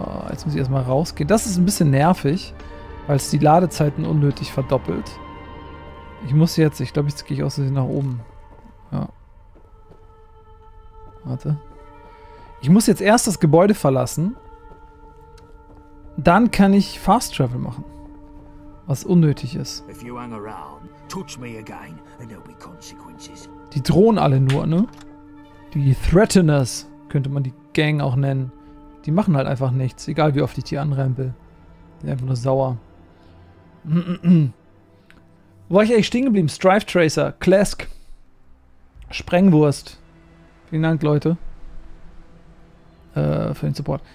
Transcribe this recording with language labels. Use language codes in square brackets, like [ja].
[de] Jetzt muss ich erstmal rausgehen. Das ist ein bisschen nervig, weil es die Ladezeiten unnötig verdoppelt. Ich muss jetzt, ich glaube, jetzt gehe ich aus Versehen nach oben. Ja. Warte. Ich muss jetzt erst das Gebäude verlassen. Dann kann ich Fast Travel machen. was unnötig ist. [en] If you hang around, touch me again, and there'll be consequences. [de] Die drohen alle nur, ne? Die Threateners, könnte man die Gang auch nennen. Die machen halt einfach nichts, egal wie oft ich die anrempel. Die sind einfach nur sauer. Wo war ich eigentlich stehen geblieben? Strife Tracer, Klask, Sprengwurst. Vielen Dank, Leute. Für den Support.